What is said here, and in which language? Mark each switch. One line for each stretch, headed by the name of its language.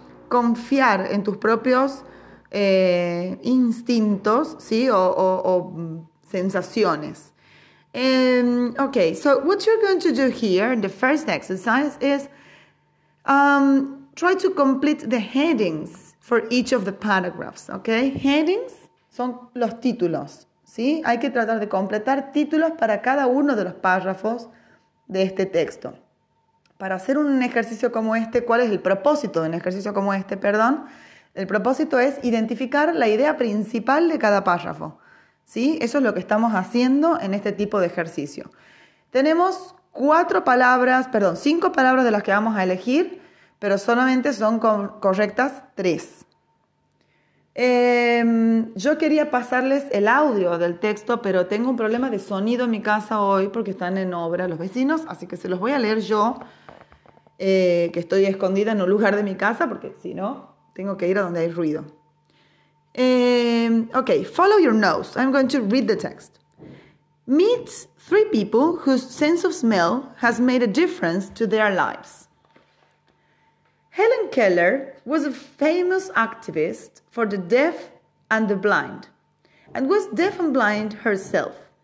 Spanish: Confiar en tus propios instintos, ¿sí? O sensaciones.
English: Okay, so what you're going to do here in the first exercise is try to complete the headings for each of the paragraphs, okay?
Spanish: Headings son los títulos, ¿sí? Hay que tratar de completar títulos para cada uno de los párrafos de este texto. Para hacer un ejercicio como este, ¿cuál es el propósito de un ejercicio como este, perdón? El propósito es identificar la idea principal de cada párrafo, ¿sí? Eso es lo que estamos haciendo en este tipo de ejercicio. Tenemos cinco palabras de las que vamos a elegir, pero solamente son correctas tres. Yo quería pasarles el audio del texto, pero tengo un problema de sonido en mi casa hoy porque están en obra los vecinos, así que se los voy a leer yo, que estoy escondida en un lugar de mi casa porque si no, tengo que ir a donde hay ruido.
English: Okay, follow your nose. I'm going to read the text. Meet three people whose sense of smell has made a difference to their lives. Helen Keller was a famous activist for the deaf and the blind, and was deaf and blind herself.